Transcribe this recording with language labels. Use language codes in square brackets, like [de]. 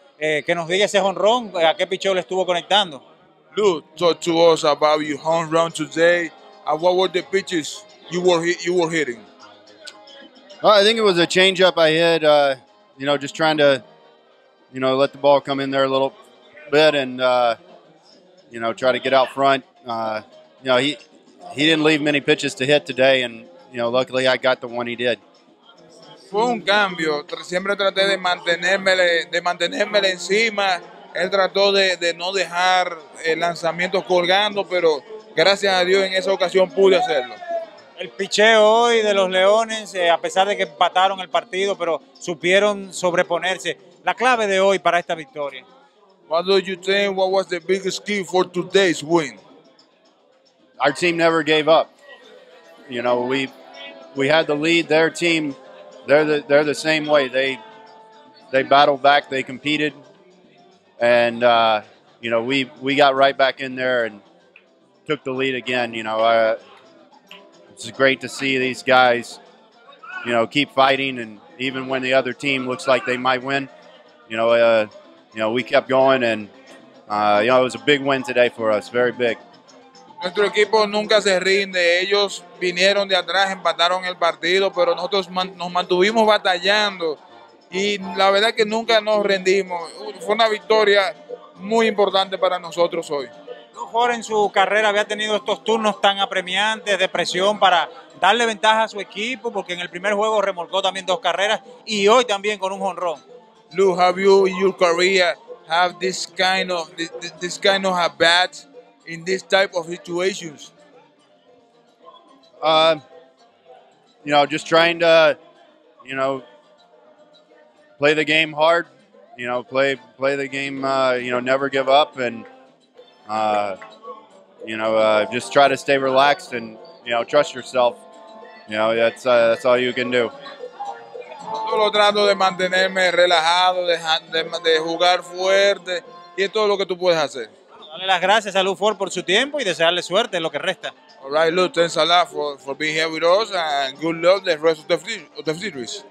[es] Que nos diga ese jonrón, ¿a qué pichón le estuvo conectando? [en] Lou, talk to us about your home run today. And what were the pitches you were hitting? Well, I think it was a changeup I hit, you know, just trying to, you know, let the ball come in there a little bit and, you know, try to get out front. You know, he didn't leave many pitches to hit today, and, you know, luckily I got the one he did. [es] Fue un cambio. Siempre traté de mantenérmele encima. Él trató de no dejar lanzamientos colgando, pero gracias a Dios en esa ocasión pude hacerlo. El picheo hoy de los Leones, a pesar de que empataron el partido, pero supieron sobreponerse. La clave de hoy para esta victoria. [en] What do you think? What was the biggest key for today's win? Our team never gave up. You know, we had the lead. Their team, they're the same way. They battled back. They competed. And, you know, we got right back in there and took the lead again. You know, it's great to see these guys, you know, keep fighting. And even when the other team looks like they might win, you know, we kept going. And, you know, it was a big win today for us, very big. [es] Nuestro equipo nunca se rinde. Ellos vinieron de atrás, empataron el partido, pero nosotros nos mantuvimos batallando. Y la verdad es que nunca nos rendimos. Fue una victoria muy importante para nosotros hoy. Jorge, en su carrera había tenido estos turnos tan apremiantes de presión para darle ventaja a su equipo, porque en el primer juego remolcó también dos carreras y hoy también con un jonrón. [en] Lou, have you in your career have this kind of at bats in this type of situations? You know, just trying to, you know, play the game hard, you know, play the game, you know, never give up and, you know, just try to stay relaxed and, you know, trust yourself. You know, that's all you can do. [es] Yo lo trato de mantenerme relajado, de jugar fuerte y es todo lo que tú puedes hacer. Dale las gracias a Lou Ford por su tiempo y desearle suerte en lo que resta. [en] All right, Lou, thanks a lot for being here with us and good luck the rest of the series.